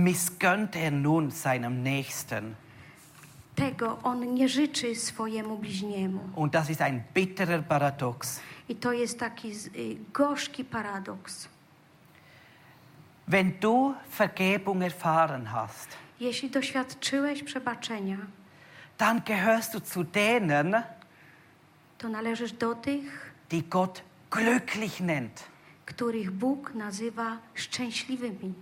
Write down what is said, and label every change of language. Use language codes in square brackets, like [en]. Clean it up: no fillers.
[de] Missgönnt er nun seinem Nächsten. [pl] Tego on nie życzy swojemu bliźniemu. [de] Und das ist ein bitterer Paradox. [pl] I to jest taki gorzki paradoks. [de] Wenn du Vergebung erfahren hast, [pl] jeśli doświadczyłeś przebaczenia, [de] dann gehörst du zu denen, [pl] to należysz do tych, [de] die Gott glücklich nennt. [pl] Których Bóg nazywa szczęśliwymi.